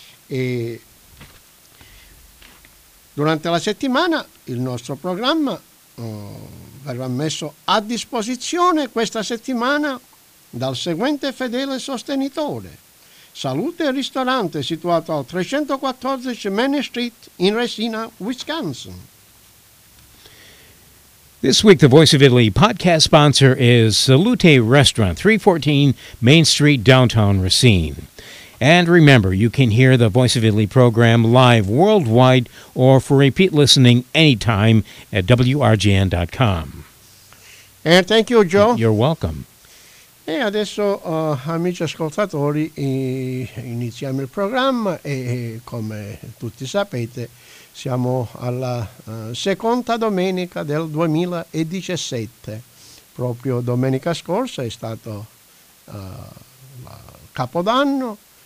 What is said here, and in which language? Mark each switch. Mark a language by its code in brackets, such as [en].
[it] E durante la settimana il nostro programma verrà messo a disposizione questa settimana dal seguente fedele sostenitore: Salute e Ristorante, situato al 314 Main Street in Resina, Wisconsin. [en] This week, the Voice of Italy podcast sponsor is Salute Restaurant, 314 Main Street, downtown Racine. And remember, you can hear the Voice of Italy program live worldwide or for repeat listening anytime at WRGN.com. And thank you, Joe. You're welcome. [it] E adesso, amici ascoltatori, iniziamo il programma e come tutti sapete, siamo alla seconda domenica del 2017. Proprio domenica scorsa è stato Capodanno.